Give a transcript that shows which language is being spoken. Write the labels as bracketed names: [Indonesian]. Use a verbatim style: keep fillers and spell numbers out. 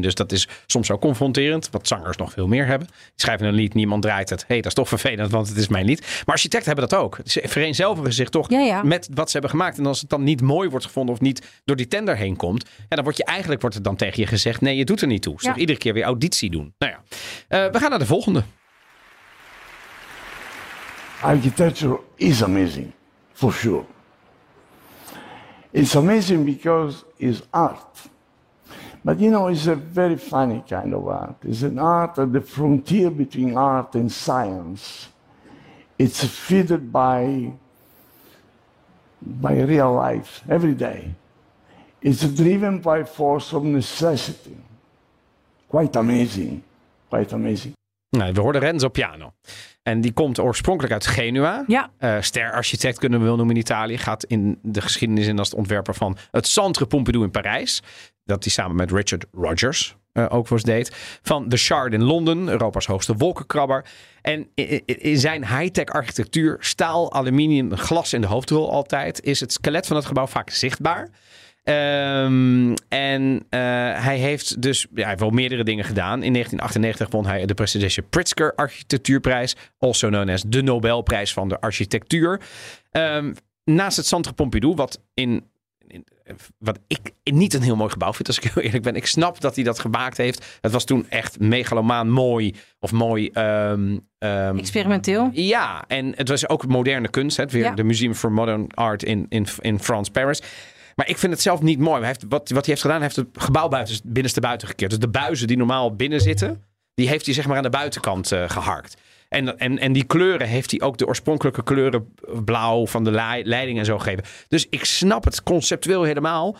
[Dutch] Dus dat is soms ook confronterend, wat zangers nog veel meer hebben. Die schrijven een lied, niemand draait het. Hé, hey, dat is toch vervelend, want het is mijn lied. Maar architecten hebben dat ook. Ze vereenzelvigen zich toch Ja, ja. met wat ze hebben gemaakt. En als het dan niet mooi wordt gevonden of niet door die tender heen komt, ja, dan wordt je eigenlijk wordt het dan tegen je gezegd, nee, je doet er niet toe. Dus Ja. toch iedere keer weer auditie doen. Nou ja, Eh, we gaan naar de volgende. [English] Architecture is amazing, for sure. It's amazing because it's art. But you know, it's a very funny kind of art. It's an art at the frontier between art and science. It's fitted by, by real life every day. It's driven by force of necessity. Quite amazing, quite amazing. [Dutch] Nou, we hoorden Renzo Piano. En die komt oorspronkelijk uit Genua. Ja. Eh, sterarchitect kunnen we wel noemen in Italië. Gaat in de geschiedenis in als het ontwerper van het Centre Pompidou in Parijs. Dat hij samen met Richard Rogers eh, ook voor eens deed. Van The Shard in Londen, Europa's hoogste wolkenkrabber. En i- i- in zijn high-tech architectuur, staal, aluminium, glas in de hoofdrol altijd, is het skelet van het gebouw vaak zichtbaar. Ehm, en eh, hij heeft dus ja, hij heeft wel meerdere dingen gedaan. In negentien achtennegentig won hij de prestigieuze Pritzker Architectuurprijs, [English] also known as [Dutch] de Nobelprijs van de architectuur. Ehm, naast het Centre Pompidou, wat in in, wat ik niet een heel mooi gebouw vind, als ik heel eerlijk ben. Ik snap dat hij dat gemaakt heeft. Het was toen echt megalomaan mooi. Of mooi... Um, um, experimenteel. Ja, en het was ook moderne kunst. Het weer ja. [English] de Museum for Modern Art in, in, in France, Paris. [Dutch] Maar ik vind het zelf niet mooi. Hij heeft, wat, wat hij heeft gedaan, hij heeft het gebouw buiten, binnenstebuiten gekeerd. Dus de buizen die normaal binnen zitten, die heeft hij zeg maar aan de buitenkant uh, geharkt. En, en, en die kleuren heeft hij ook de oorspronkelijke kleuren blauw van de leiding en zo gegeven. Dus ik snap het conceptueel helemaal.